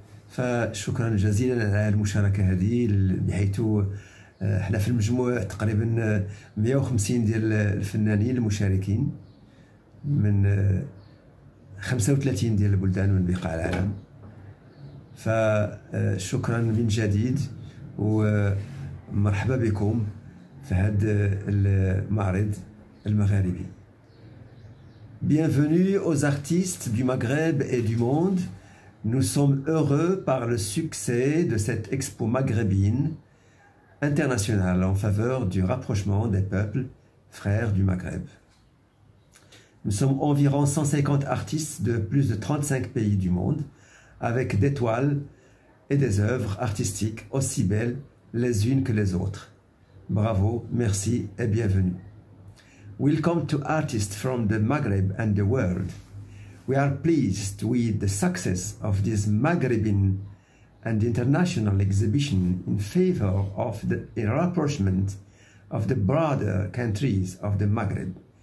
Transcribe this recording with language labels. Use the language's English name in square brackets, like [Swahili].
[Arabic] فشكرا جزيلا على المشاركة هذه، بحيث احنا في المجموع تقريبا 150 ديال الفنانين المشاركين من 35 ديال البلدان من بقاع العالم. فشكرا من جديد ومرحبا بكم في هذا المعرض المغاربي. [French] Bienvenue aux artistes du Maghreb et du monde. Nous sommes heureux par le succès de cette expo maghrébine internationale en faveur du rapprochement des peuples frères du Maghreb. Nous sommes environ 150 artistes de plus de 35 pays du monde, avec des toiles et des œuvres artistiques aussi belles les unes que les autres. Bravo, merci et bienvenue. [English] Welcome to artists from the Maghreb and the world. We are pleased with the success of this Maghrebin and international exhibition in favor of the rapprochement of the broader countries of the Maghreb.